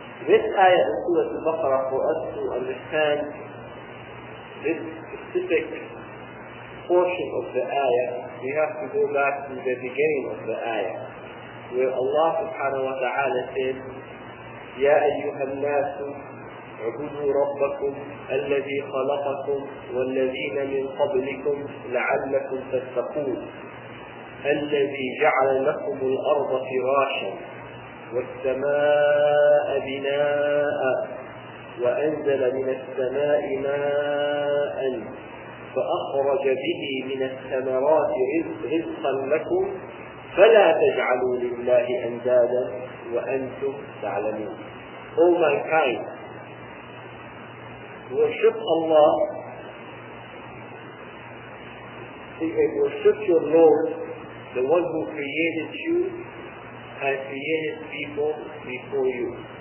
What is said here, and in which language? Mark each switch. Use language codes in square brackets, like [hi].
[en] This ayah of Surah Al-Baqarah for us to understand this specific portion of the ayah, we have to go back to the beginning of the ayah, where Allah subhanahu wa ta'ala said, [ar] يَا أَيُّهَا النَّاسُ عبدوا ربكم الذي خلقكم والذين من قبلكم لعلكم تتقون. الذي جعل لكم الأرض فراشا والسماء بناء وأنزل من السماء ماء فأخرج به من الثمرات رزقا لكم فلا تجعلوا لله أندادا وأنتم تعلمون. [en] O mankind, worship Allah, worship your Lord, the one who created you and created people before you.